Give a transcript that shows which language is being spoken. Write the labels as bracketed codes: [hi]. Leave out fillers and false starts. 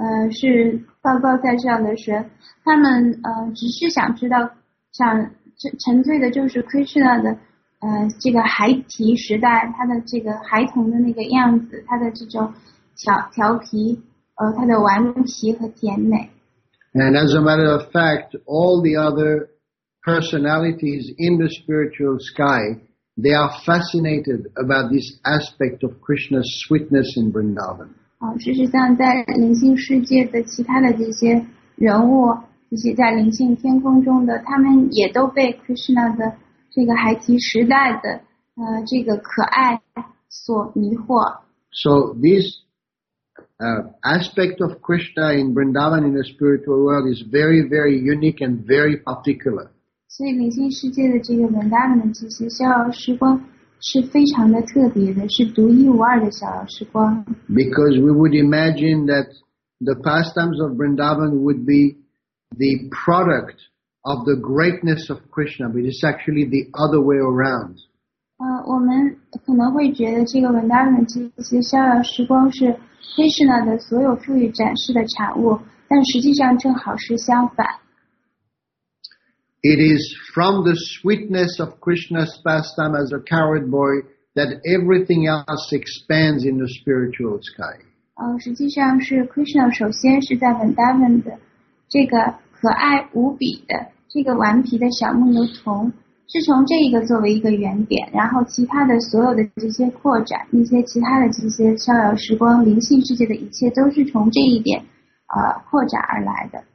[zh] 是报告在这样的神，他们只是想知道，想沉醉的就是 Krishna 的这个孩提时代，他的这个孩童的那个样子，他的这种调皮，他的顽皮和甜美。 [en] And as a matter of fact, all the other personalities in the spiritual sky, they are fascinated about this aspect of Krishna's sweetness in Vrindavan. [zh] 事实上在灵性世界的其他的这些人物，这些在灵性天空中的，他们也都被 Krishna 的这个孩提时代的这个可爱所迷惑。 [en] So this aspect of Krishna in Vrindavan in the spiritual world is very, very unique and very particular. [zh] 所以灵性世界的这个 Vrindavan 的这些逍遥时光是非常的特别的，是独一无二的逍遥时光。 [en] Because we would imagine that the pastimes of Vrindavan would be the product of the greatness of Krishna, but it's actually the other way around. [zh] 我们可能会觉得这个 Vrindavan 的这些逍遥时光是 Krishna 的所有赋予展示的产物，但实际上正好是相反。 [en] It is from the sweetness of Krishna's pastime as a coward boy that everything else expands in the spiritual sky. [zh] 实际上是 Krishna 首先是在 Vrindavan 的这个可爱无比的这个顽皮的小牧牛童，是从这个作为一个原点，然后其他的所有的这些扩展，那些其他的这些逍遥时光，灵性世界的一切都是从这一点扩展而来的。